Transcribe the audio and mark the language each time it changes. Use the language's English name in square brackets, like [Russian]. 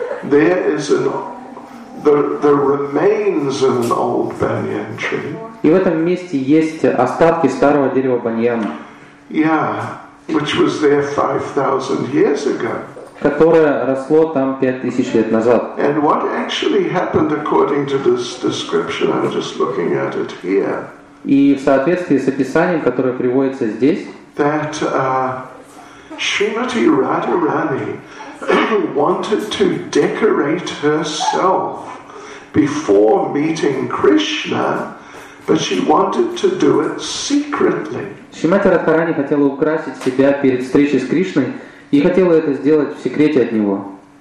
[English] There is the remains of an old banyan tree. [Russian] И в этом месте есть остатки старого дерева баньян. [English] Yeah, which was there 5,000 years ago. [Russian] Которое росло там 5000 лет назад. [English] And what actually happened according to this description, I'm just looking at it here. [Russian] И в соответствии с описанием, которое приводится здесь, [English] that Shrimati Radharani wanted to decorate herself before meeting Krishna, but she wanted to do it secretly. [Russian] Шримати Радхарани хотела украсить себя перед встречей с Кришной и хотела это сделать в секрете от него.